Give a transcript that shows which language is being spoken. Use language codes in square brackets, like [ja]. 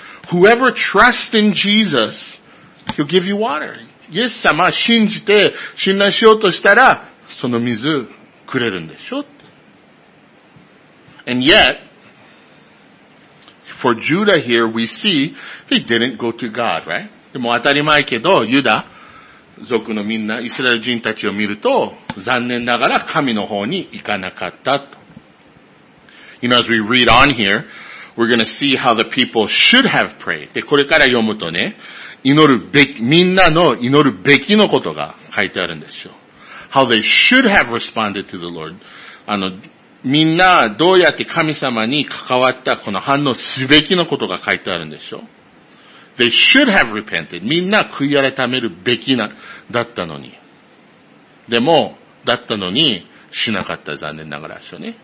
[en] Whoever trusts in Jesus, he'll give you water. [ja] イエス様は信じて、信頼しようとしたら、その水くれるんでしょって。 [en] And yet, for Judah here, we see he didn't go to God, right? [ja] でも当たり前けど、ユダ族のみんな、イスラエル人たちを見ると、残念ながら神の方に行かなかったと。 [en] You know, as we read on here, we're going to see how the people should have prayed. [ja] で、これから読むとね、祈るべき、みんなの祈るべきのことが書いてあるんですよ。 [en] How they should have responded to the Lord. [ja] みんなどうやって神様に関わったこの反応すべきのことが書いてあるんでしょう。 [en] They should have repented. [ja] みんな悔い改めるべきな、だったのに。でも、だったのにしなかった残念ながらでしょうね。